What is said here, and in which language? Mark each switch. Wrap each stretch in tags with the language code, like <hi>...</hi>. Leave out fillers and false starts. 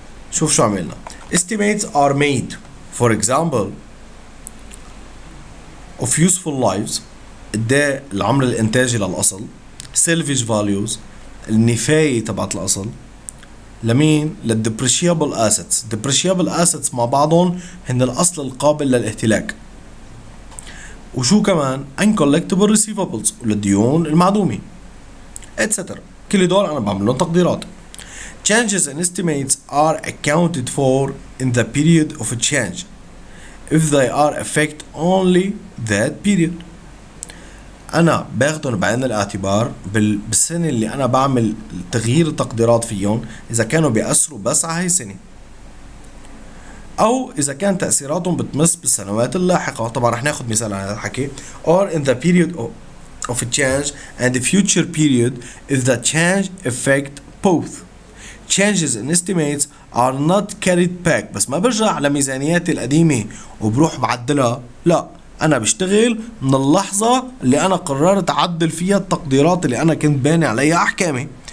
<ar>شوف شو عملنا.</ar> <en>Estimates are made, for example, of useful lives,</en> <ar>ده العمر الإنتاجي للأصل,</ar> <en>salvage values,</en> <ar>النفاية تبعت الأصل. لمين؟ للdepreciable assets. Depreciable assets مع بعضهم هن الأصل القابل للاهتلاك. وشو كمان؟ Uncollectible receivables, للديون المعدومة, etc. كل دول أنا بعملهم تقديرات.</ar> <en>Changes in estimates are accounted for in the period of a change if they are affect only that period.</en> <ar>أنا باخدهم بعين الاعتبار بالسنة اللي أنا بعمل تغيير التقديرات فيهم إذا كانوا بيأثروا بس على هاي السنة أو إذا كان تأثيراتهم بتمس بالسنوات اللاحقة. طبعا رح ناخد مثال على الحكي.</ar> <en>Or in the period of a change and the future period if the change affect both. Changes in estimates are not carried back.</en> <ar>بس ما برجع لميزانياتي القديمة وبروح بعدلها. لا. أنا بشتغل من اللحظة اللي أنا قررت أعدل فيها التقديرات اللي أنا كنت باني عليها أحكامي.</ar>